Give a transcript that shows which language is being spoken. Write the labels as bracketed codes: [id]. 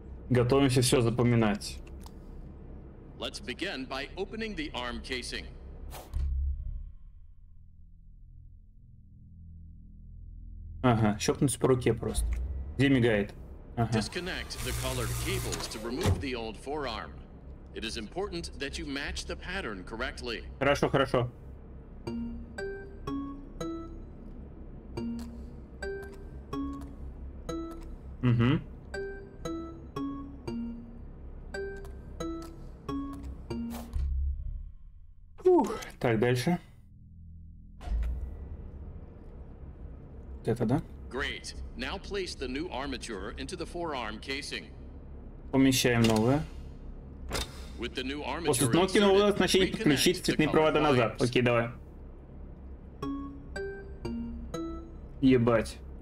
[ru] Готовимся все запоминать. [en] Let's begin by opening the arm casing. [ru] Ага, щелкнуть по руке просто. Где мигает? Ага. [en] Disconnect the colored cables to remove the old forearm. It is important that you match the pattern correctly. [ru] Хорошо, хорошо. Угу. Ух, так, дальше. Это, да? Great. [en] Now place the new armature into the forearm casing. [ru] Помещаем новое. [en] With the new armature. [ru] После установки нового оснащения подключить цветные провода назад. Окей, давай. Ебать.